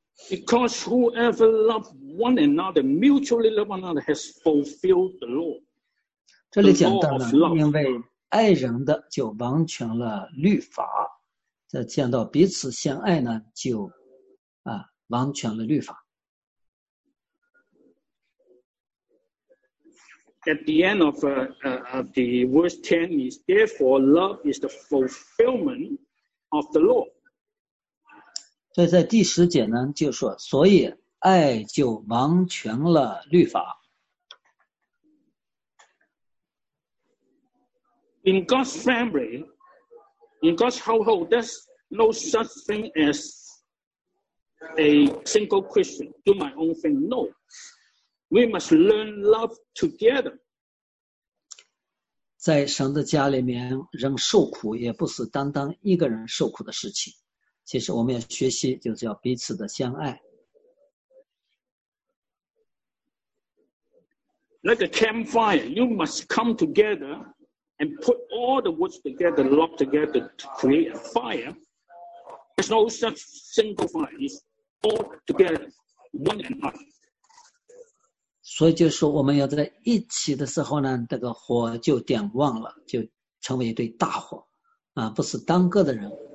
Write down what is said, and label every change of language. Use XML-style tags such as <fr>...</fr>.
<en>Because whoever loves one another, mutually love one another, has fulfilled the law.</en> <zh>这里讲到呢，因为爱人的就完全了律法。这讲到彼此相爱呢，就啊完全了律法。</zh> <en>At the end of the verse 10 is therefore love is the fulfillment of the law.</en> <zh>所以在第十节呢，就说，所以爱就完全了律法。</zh> <en>In God's family, in God's household, there's no such thing as a single Christian do my own thing. No, we must learn love together.</en> <zh>在神的家里面，人受苦也不是单单一个人受苦的事情。其实我们要学习，就是要彼此的相爱。</zh> <en>Like a campfire, you must come together and put all the woods together, lock together to create a fire. There's no such single fire; it's all together, one and one.</en> <zh>所以就是我们要在一起的时候呢，这个火就点旺了，就成为一堆大火，啊，不是单个的人。</zh>